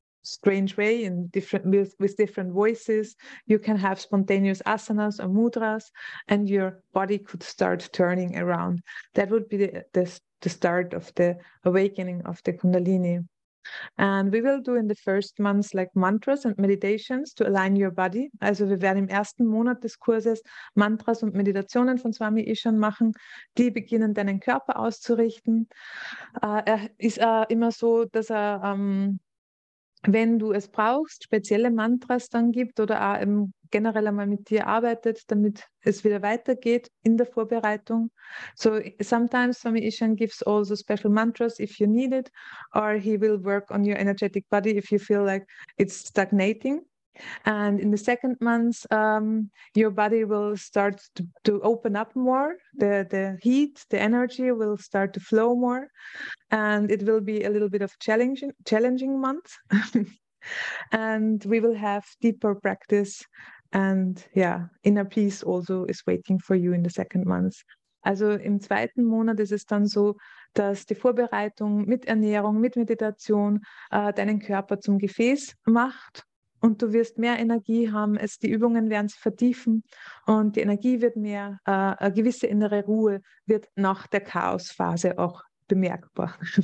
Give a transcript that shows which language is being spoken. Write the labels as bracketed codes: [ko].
[en] strange way in different with different voices. You can have spontaneous asanas or mudras, and your body could start turning around. That would be the start of the awakening of the Kundalini. And we will do in the first months like mantras and meditations to align your body. [de] Also wir werden im ersten Monat des Kurses Mantras und Meditationen von Swami Ishan machen. Die beginnen deinen Körper auszurichten. Er ist immer so, dass er, wenn du es brauchst, spezielle Mantras dann gibt oder auch im generell einmal mit dir arbeitet, damit es wieder weitergeht in der Vorbereitung. [en] So sometimes Swami Ishan gives also special mantras if you need it, or he will work on your energetic body if you feel like it's stagnating. And in the second month, your body will start to open up more. The heat, the energy will start to flow more. And it will be a little bit of challenging month. And we will have deeper practice. And yeah, inner peace also is waiting for you in the second month. [de] Also im zweiten Monat ist es dann so, dass die Vorbereitung mit Ernährung, mit Meditation deinen Körper zum Gefäß macht und du wirst mehr Energie haben. Es, die Übungen werden sich vertiefen und die Energie wird mehr, eine gewisse innere Ruhe wird nach der Chaosphase auch bemerkbar.